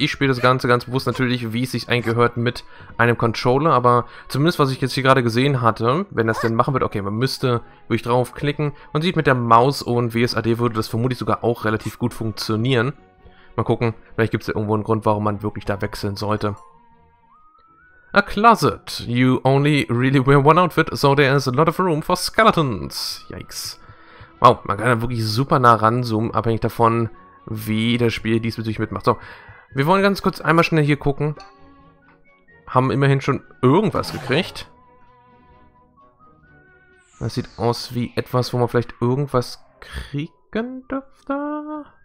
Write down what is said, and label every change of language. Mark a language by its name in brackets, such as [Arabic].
[German] Ich spiele das Ganze ganz bewusst natürlich, wie es sich eigentlich gehört, mit einem Controller. Aber zumindest, was ich jetzt hier gerade gesehen hatte, wenn das denn machen wird, okay, man müsste wirklich draufklicken. Man sieht, mit der Maus und WSAD würde das vermutlich sogar auch relativ gut funktionieren. Mal gucken, vielleicht gibt es ja irgendwo einen Grund, warum man wirklich da wechseln sollte. [English] A closet. You only really wear one outfit, so there is a lot of room for skeletons. Yikes. [German] Wow, man kann da wirklich super nah ranzoomen, abhängig davon, wie das Spiel diesbezüglich mitmacht. So, wir wollen ganz kurz einmal schnell hier gucken. Haben immerhin schon irgendwas gekriegt. Das sieht aus wie etwas, wo man vielleicht irgendwas kriegen dürfte.